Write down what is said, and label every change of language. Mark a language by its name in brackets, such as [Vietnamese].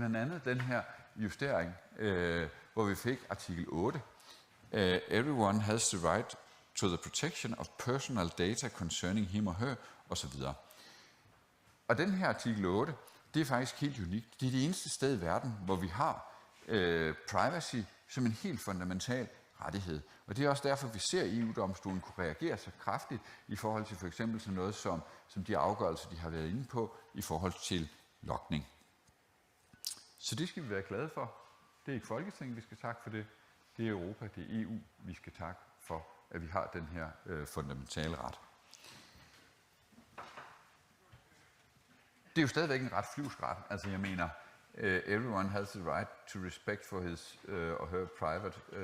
[Danish] Blandt andet den her justering, hvor vi fik artikel 8. [English] Everyone has the right to the protection of personal data concerning him or her, osv. [Danish] Og den her artikel 8, det er faktisk helt unikt. Det er det eneste sted i verden, hvor vi har privacy som en helt fundamental rettighed. Og det er også derfor, vi ser EU-domstolen kunne reagere så kraftigt i forhold til for eksempel sådan noget som de afgørelser, de har været inde på i forhold til lokning. Så det skal vi være glade for. Det er ikke Folketinget, vi skal takke for det. Det er Europa, det er EU, vi skal takke for, at vi har den her fundamentale ret. Det er jo stadigvæk en ret flyvsk ret. Altså jeg mener, [English] everyone has the right to respect for his or her private...